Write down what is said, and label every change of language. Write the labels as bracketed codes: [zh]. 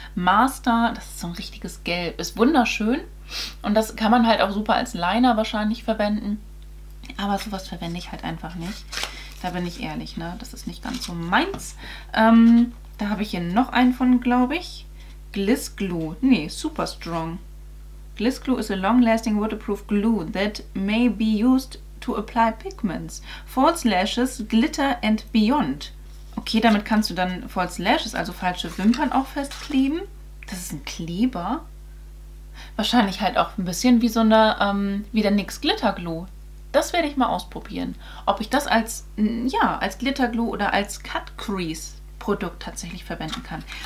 [de] Master, das ist so ein richtiges Gelb, ist wunderschön. Und das kann man halt auch super als Liner wahrscheinlich verwenden. Aber sowas verwende ich halt einfach nicht. Da bin ich ehrlich, ne? Das ist nicht ganz so meins. Da habe ich hier noch einen von, glaube ich. Gliss Glue. Nee, Super Strong. [en] Gliss Glue is a long-lasting waterproof glue that may be used to apply pigments, false lashes, glitter and beyond. [de] Okay, damit kannst du dann false lashes, also falsche Wimpern, auch festkleben. Das ist ein Kleber. Wahrscheinlich halt auch ein bisschen wie so eine, wie der NYX Glitter Glue. Das werde ich mal ausprobieren. Ob ich das als, ja, als Glitter Glue oder als Cut Crease Produkt tatsächlich verwenden kann.